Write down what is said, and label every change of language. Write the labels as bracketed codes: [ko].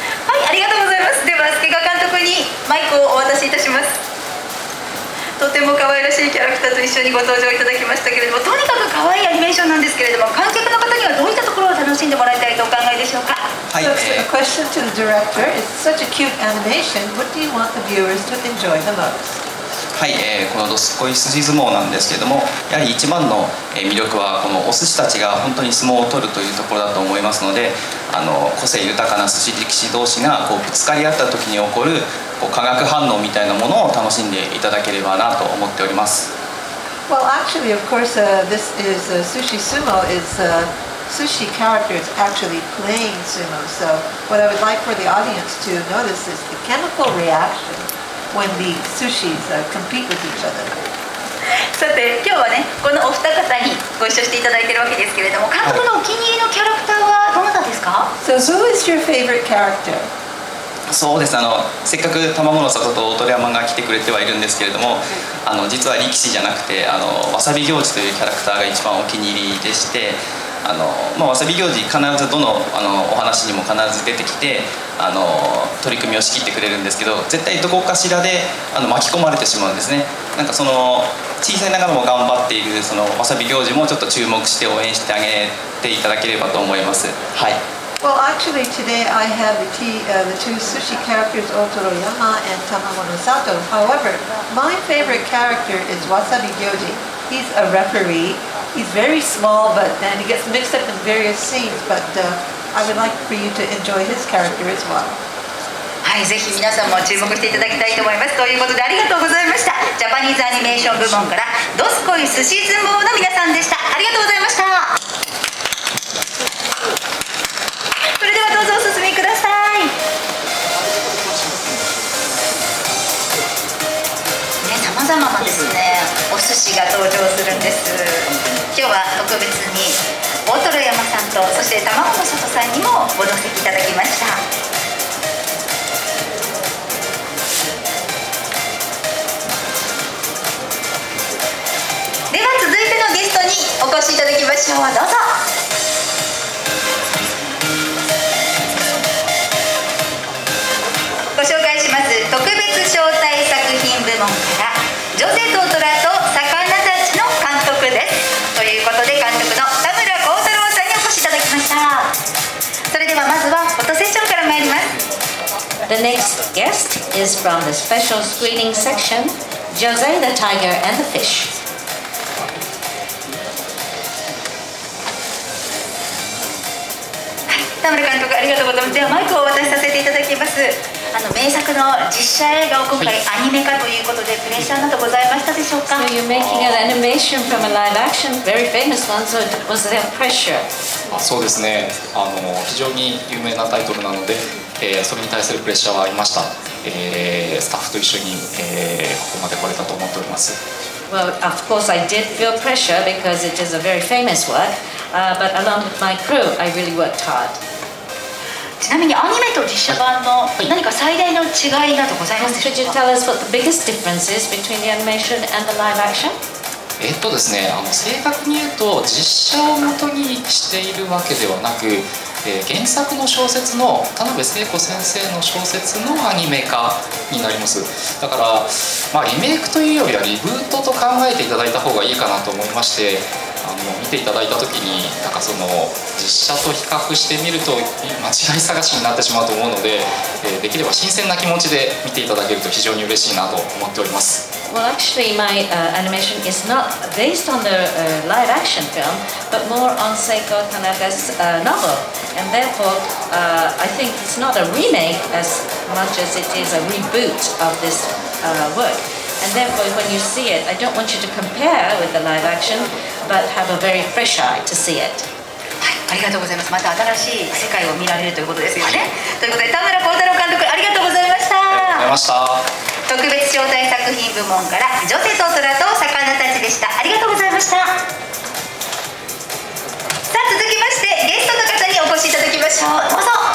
[ja] はい、ありがとうございます。では、スケガ監督にマイクをお渡しいたします。とても可愛らしいキャラクターと一緒にご登場いただきましたけれども、とにかく可愛いアニメーションなんですけれども、観客の方にはどういったところを楽しんでもらいたいとお考えでしょうか。はい、 [en] So, a question to the director. It's such a cute animation. What do you want the viewers to enjoy the most? [ja] はい、このどすこい筋相撲なんですけれども、やはり一番の魅力はこのお寿司たちが本当に相撲を取るというところだと思いますので、あの個性豊かな寿司力士同士がこうぶつかり合った時に起こるこう化学反応みたいなものを楽しんでいただければなと思っております。 [en] Well, actually, of course, this is sushi sumo is sushi characters actually playing sumo. So what I would like for the audience to notice is the chemical reactionWhen the sushis compete with each other. [ja] さて、今日はね、このお二方にご一緒していただいているわけですけれども、監督のお気に入りのキャラクターはどなたですか？ [en] So, who is your favorite character? [ja] そうです、あのせっかく玉子の里と鳥山が来てくれてはいるんですけれども、あの実は力士じゃなくて、あのわさび行司というキャラクターが一番お気に入りでして、あのまあ、わさび行司必ずどの、 あのお話にも必ず出てきて、あの取り組みを仕切ってくれるんですけど、絶対どこかしらであの巻き込まれてしまうんですね。なんかその小さいながらも頑張っているそのわさび行司もちょっと注目して応援してあげていただければと思います。はい。 [en] Well, actually, today I have the two sushi characters, Otoro Yama and Tamamo no Sato. However, my favorite character is Wasabi Gyoji. He's a referee. He's very small, but then he gets mixed up in various scenes. But I would like for you to enjoy his character as well. [ja] はい、ぜひ皆さんも注目していただきたいと思います。ということで、ありがとうございました。ジャパニーズアニメーション部門から、ドスコイ寿司相撲の皆さんでした。ありがとうございました。それではどうぞお進みください。さまざまなですね、お寿司が登場するんです。今日は特別に大トロ山さんと、そして玉子の里さんにもご同席いただきました。では続いてのゲストにお越しいただきましょう。どうぞ。ご紹介します。特別招待作品部門から、ジョゼとトラと魚たちの監督です。ということで、監督の田村幸太郎さんにお越しいただきました。それではまずはフォトセッションから参ります。 [en] The next guest is from the special screening section, Jose the Tiger and the Fish. [ja] 田村監督、ありがとうございます。ではマイクをお渡しさせていただきます。あの名作の実写映画を今回アニメ化ということで、プレッシャーなどございましたでしょうか？ [en] So you're making an animation from a live action, very famous one, so was there pressure? [ja] あ、そうですね、あの非常に有名なタイトルなので、それに対するプレッシャーはありました。スタッフと一緒に、ここまで来れたと思っております。 [en] Well, of course, I did feel pressure because it is a very famous work. But along with my crew, I really worked hard. [ja] ちなみにアニメと実写版の何か最大の違いなどございますでしょうか？ [en] Could you tell us what the biggest difference is between the animation and the live action? [ja] ですね、あの正確に言うと実写を元にしているわけではなく、原作の小説の田辺聖子先生の小説のアニメ化になります。だから、まあ、リメイクというよりはリブートと考えていただいた方がいいかなと思いまして、あの見ていただいた時に、なんかその実写と比較してみると間違い探しになってしまうと思うので、できれば新鮮な気持ちで見ていただけると非常に嬉しいなと思っております。 [en] Well, actually, my animation is not based on the live-action film, but more on Seiko Tanaka's novel. And therefore, I think it's not a remake as much as it is a reboot of this work. And therefore, when you see it, I don't want you to compare with the live-action, but have a very fresh eye to see it. [ja] はい、ありがとうございます。また新しい世界を見られるということですよね。ということで、田村幸太郎監督、ありがとうございました。ありがとうございました。特別招待作品部門から、ジョゼとトラと魚たちでした。ありがとうございました。さあ、続きましてゲストの方にお越しいただきましょう。どうぞ。